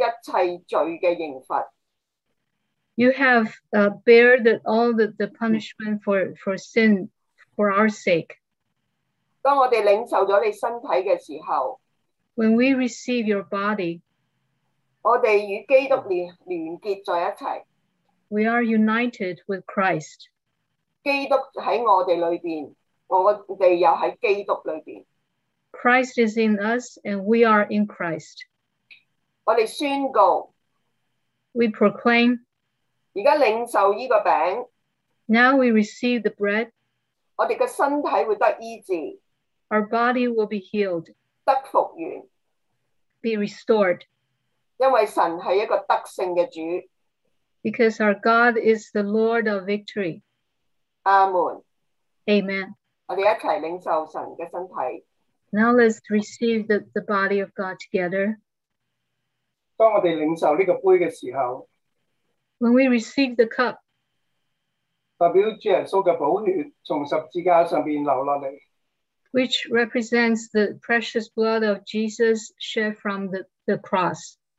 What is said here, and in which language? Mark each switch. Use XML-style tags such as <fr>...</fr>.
<zh>你为我们是付上一切罪的刑罚。</zh> <en>You have bared all the punishment for sin for our sake.</en> <zh>当我们领受了你身体的时候，</zh> <en>When we receive your body,</en> <zh>我们与基督连结在一起。</zh> <en>We are united with Christ.</en> <zh>基督在我们里面， 我们又在基督里面。</zh> <en>Christ is in us and we are in Christ.</en> <zh>我们宣告，</zh> <en>We proclaim,</en> <zh>现在领受这个饼，</zh> <en>Now we receive the bread.</en> <zh>我们的身体会得医治。</zh> <en>Our body will be healed.</en> <zh>得复原。</zh> <en>Be restored. Because our God is the Lord of victory. Amen. Amen.</en> <zh>我们一起领受神的身体。</zh> <en>Now let's receive the body of God together.</en> <zh>当我们领受这个杯的时候,</zh> <en>When we receive the cup,</en> <zh>代表主耶稣的宝血从十字架上流下来。</zh> <en>Which represents the precious blood of Jesus shed from the cross.</en>